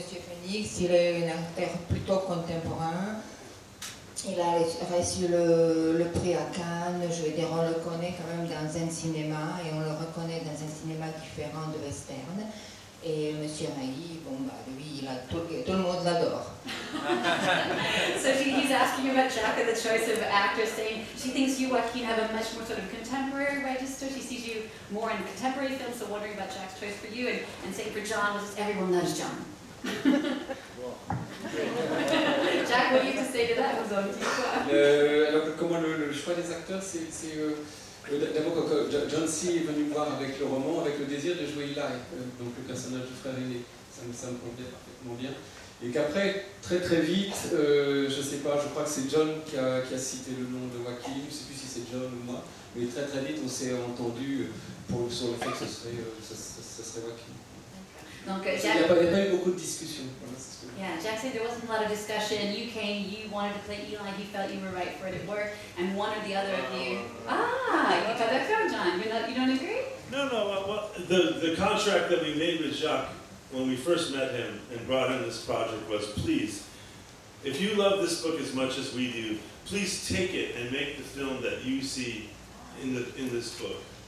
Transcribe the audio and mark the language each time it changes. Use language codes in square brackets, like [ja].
[fr] Phoenix, il est un acteur plutôt contemporain. Il a reçu le prix à Cannes. Je veux dire, on le connaît quand même dans un cinéma et on le reconnaît dans un cinéma différent de western. Et M. Rey, bon, bah, lui, tout le monde l'adore. [en] So he's asking about Jack and the choice of actors, saying she thinks you, Joaquin, have a much more sort of contemporary register. She sees you more in contemporary films, so wondering about Jack's choice for you. And saying for John, was just everyone loves John. Jack, what do you have to say to that? [fr] Comment le choix des acteurs, c'est d'abord, quand John C. est venu me voir avec le roman, avec le désir de jouer Eli, donc le personnage du frère aîné, ça me convient parfaitement bien. Et qu'après, très très vite, je ne sais pas, je crois que c'est John qui a cité le nom de Joaquin, je ne sais plus si c'est John ou moi, mais très très vite, on s'est entendu sur le fait que ce serait Joaquin. Donc, il n'y a pas eu beaucoup de discussions. [en] Yeah, Jack said there wasn't a lot of discussion. You came, you wanted to play Eli, you felt you were right for it at work, and one or the other of you. Ah, you got that from John. You don't agree? No, I don't agree. Okay. No. The contract that we made with Jacques when we first met him and brought him this project was, please, if you love this book as much as we do, please take it and make the film that you see in this book.